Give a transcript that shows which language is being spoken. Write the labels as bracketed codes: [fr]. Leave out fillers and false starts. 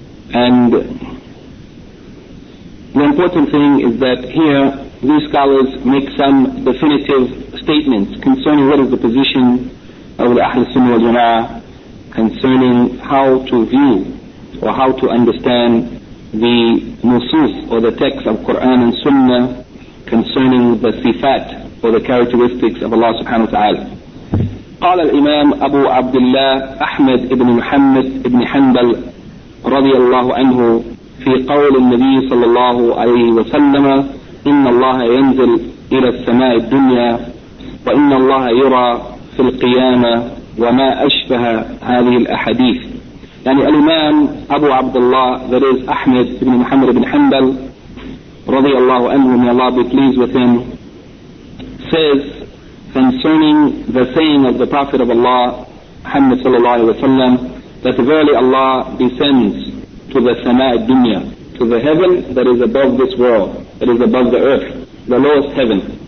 [en] and the important thing is that here these scholars make some definitive statements concerning what is the position of the Ahl al-Sunnah wal-Jama'ah concerning how to view or how to understand the nusus or the text of Quran and Sunnah concerning the sifat or the characteristics of Allah [ar] subhanahu wa ta'ala. قال الإمام أبو عبد الله أحمد بن محمد بن حنبل رضي الله عنه في قول النبي صلى الله عليه وسلم إن الله ينزل إلى السماء الدنيا وإن الله يرى في القيامة وما أشبه هذه الأحاديث. يعني الإمام أبو عبد الله [en] that is [ar] أحمد بن محمد بن حنبل رضي الله عنه [en] may Allah be pleased with him says concerning the saying of the Prophet of Allah Muhammad [ar] صلى الله عليه وسلم [en] that verily Allah descends to the [ar] سماء الدنيا, [en] to the heaven that is above this world, that is above the earth, the lowest heaven.